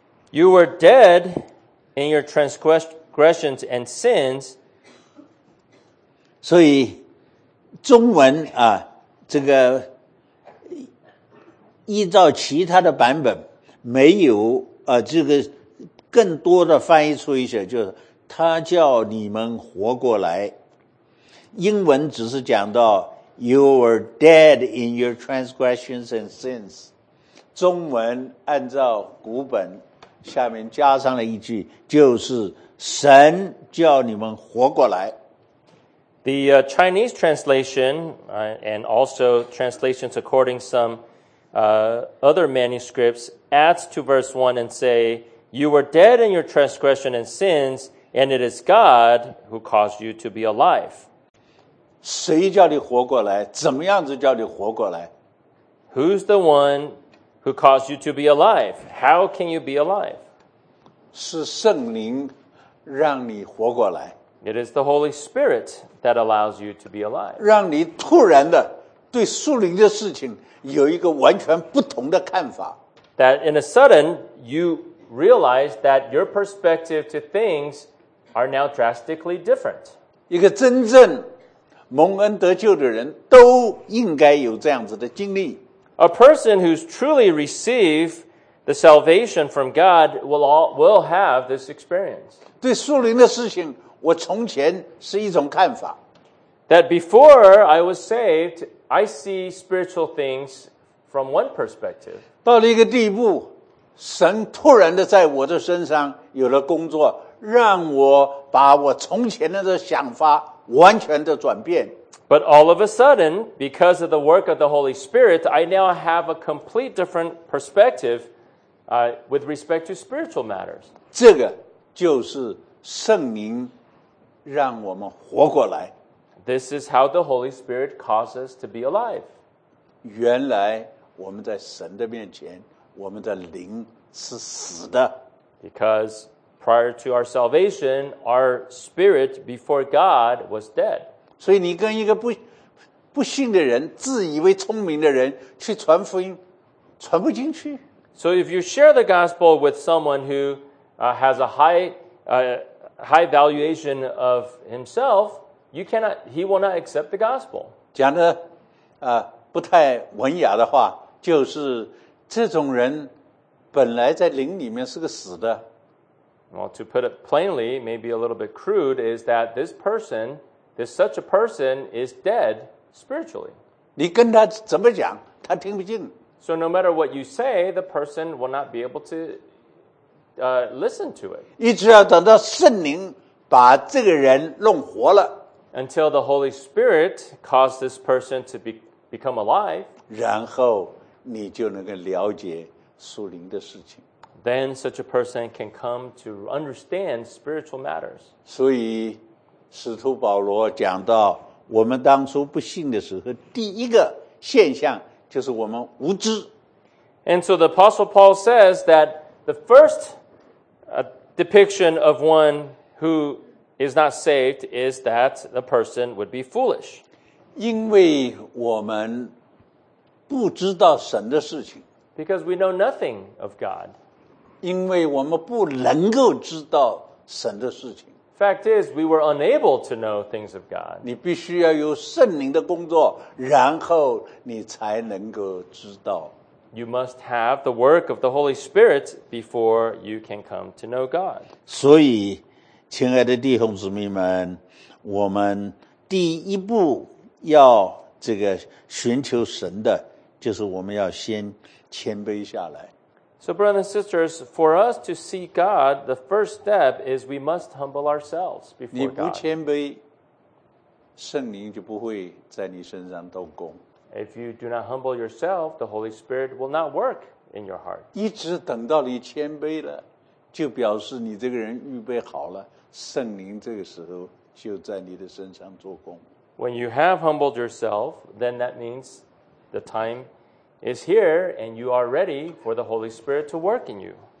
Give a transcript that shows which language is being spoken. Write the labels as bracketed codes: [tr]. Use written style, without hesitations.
[en] You were dead in your transgressions and sins. [zh] 所以中文啊，这个依照其他的版本没有这个更多的翻译出一些，就是他叫你们活过来。英文只是讲到 [en] You were dead in your transgressions and sins. [zh] 中文按照古本下面加上了一句，就是神叫你们活过来。 [en] The Chinese translation and also translations according some other manuscripts adds to verse 1 and say, You were dead in your transgression and sins, and it is God who caused you to be alive. [zh] 谁叫你活过来？怎么样子叫你活过来？ [en] Who's the one who caused you to be alive? How can you be alive? [zh] 是圣灵让你活过来。 [en] It is the Holy Spirit that allows you to be alive. [zh] 让你突然的对属灵的事情有一个完全不同的看法。 [en] That in a sudden, you realize that your perspective to things are now drastically different. [zh] 一个真正蒙恩得救的人都应该有这样子的经历。 [en] A person who's truly received the salvation from God will have this experience. [zh] 对属灵的事情我从前是一种看法。 [en] That before I was saved, I see spiritual things from one perspective. [zh] 到了一个地步，神突然的在我的身上有了工作，让我把我从前的想法完全的转变。 [en] But all of a sudden, because of the work of the Holy Spirit, I now have a complete different perspective, with respect to spiritual matters. [zh] 这个就是圣灵让我们活过来。 [en] This is how the Holy Spirit causes us to be alive. [zh] 原来我们在神的面前，我们的灵是死的。 [en] Because prior to our salvation, our spirit before God was dead. [zh] 所以你跟一个不信的人，自以为聪明的人去传福音，传不进去。 [en] So if you share the gospel with someone who has a high high valuation of himself, you cannot, he will not accept the gospel. [zh] 讲的不太文雅的话，就是这种人本来在灵里面是个死的。 [en] Well, to put it plainly, maybe a little bit crude, is that this person, this such a person is dead spiritually. [zh] 你跟他怎么讲，他听不进。 [en] So no matter what you say, the person will not be able to listen to it. [zh] 一直要等到圣灵把这个人弄活了。 [en] Until the Holy Spirit caused this person to become alive. [zh] 然后你就能够了解属灵的事情。 [en] Then such a person can come to understand spiritual matters. [zh] 所以使徒保罗讲到我们当初不信的时候，第一个现象就是我们无知。 [en] And so the Apostle Paul says that the first depiction of one who is not saved is that the person would be foolish. [zh] 因为我们不知道神的事情。 [en] Because we know nothing of God. [zh] 因为我们不能够知道神的事情。 [en] Fact is, we were unable to know things of God. [zh] 你必须要有圣灵的工作，然后你才能够知道。 [en] You must have the work of the Holy Spirit before you can come to know God. [zh] 所以，亲爱的弟兄姊妹们，我们第一步要这个寻求神的，就是我们要先谦卑下来。 [en] So, brothers and sisters, for us to seek God, the first step is we must humble ourselves before God. [zh] 你不谦卑，圣灵就不会在你身上动工。 [en] If you do not humble yourself, the Holy Spirit will not work in your heart. [zh] 一直等到你谦卑了，就表示你这个人预备好了，圣灵这个时候就在你的身上做工。 [en] When you have humbled yourself, then that means the time is here, and you are ready for the Holy Spirit to work in you.